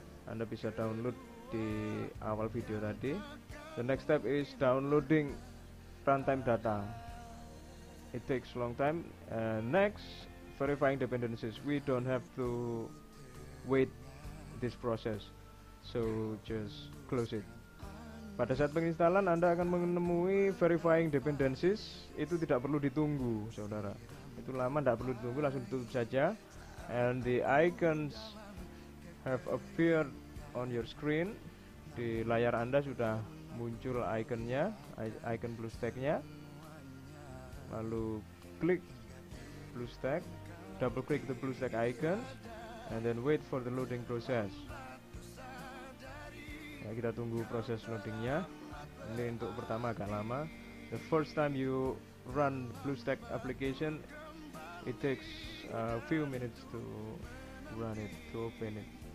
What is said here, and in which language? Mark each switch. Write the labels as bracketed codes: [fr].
[id] Anda bisa download di awal video tadi. [en] The next step is downloading runtime data. It takes long time. Next, verifying dependencies. We don't have to wait this process, so just close it. [id] Pada saat penginstalan, Anda akan menemui verifying dependencies. Itu tidak perlu ditunggu, saudara. Itu lama, tidak perlu ditunggu, langsung ditutup saja. [en] And the icons have appeared on your screen. [id] Di layar Anda sudah muncul iconnya, icon BlueStack-nya. Lalu klik BlueStack, [en] double click the BlueStack icon, and then wait for the loading process. [id] Ya, kita tunggu proses loadingnya. Ini untuk pertama agak lama. [en] The first time you run BlueStack application, it takes a few minutes to run it, to open it.